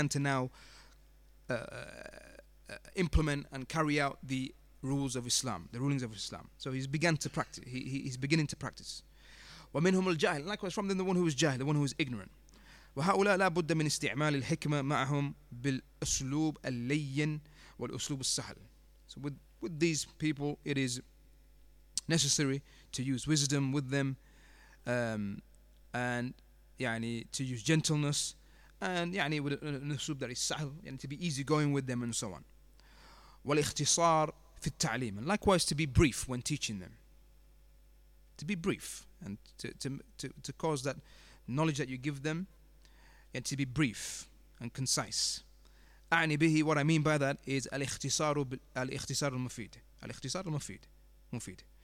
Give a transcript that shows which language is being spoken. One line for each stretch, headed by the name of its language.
English: He's just begun to now implement and carry out the rules of Islam, the rulings of Islam. So he's began to practice. He's beginning to practice.
Arabic: ومنهم الجاهل.
English: Likewise, from them, the one who is jahil, the one who is ignorant.
Arabic: وهؤلاء لا بد من استعمال الحكمة معهم بالأسلوب اللين والأسلوب السهل.
English: So with these people, it is necessary to use wisdom with them, and
Arabic: يعني
English: to use gentleness, and يعني with an أسلوب that is
Arabic: سهل,
English: يعني to be easy going with them and so on.
Arabic: والاختصار في التعليم.
English: And likewise, to be brief when teaching them. To be brief and to cause that knowledge that you give them, and to be brief and concise.
Arabic: أعني به,
English: what I mean by that is
Arabic: الاختصار المفيد.